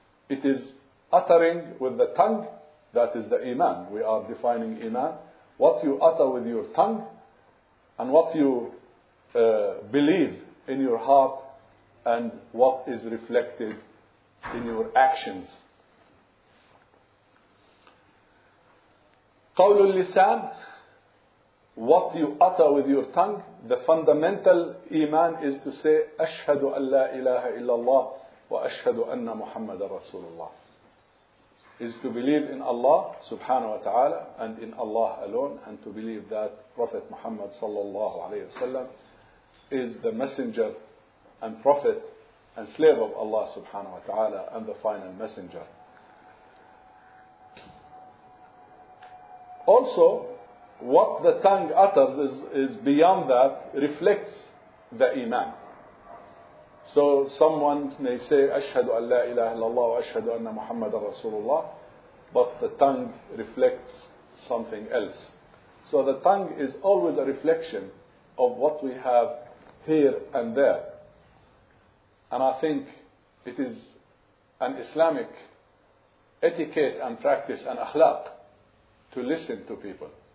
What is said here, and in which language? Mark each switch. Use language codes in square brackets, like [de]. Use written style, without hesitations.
[en] It is uttering with the tongue, that is the iman, we are defining iman, what you utter with your tongue and what you believe in your heart and what is reflected in your actions. [ar] قول اللسان, [en] what you utter with your tongue, the fundamental iman is to say [ar] أشهد أن لا إله إلا الله وأشهد أن محمد رسول الله. [en] Is to believe in Allah subhanahu wa ta'ala and in Allah alone, and to believe that Prophet Muhammad sallallahu alayhi wa sallam is the messenger and prophet and slave of Allah subhanahu wa ta'ala and the final messenger. Also, what the tongue utters is beyond that, reflects the iman. So someone may say, [ar] أشهد أن لا إله إلا الله وأشهد أن محمد رسول الله, [en] but the tongue reflects something else. So the tongue is always a reflection of what we have here and there. And I think it is an Islamic etiquette and practice and akhlaq to listen to people.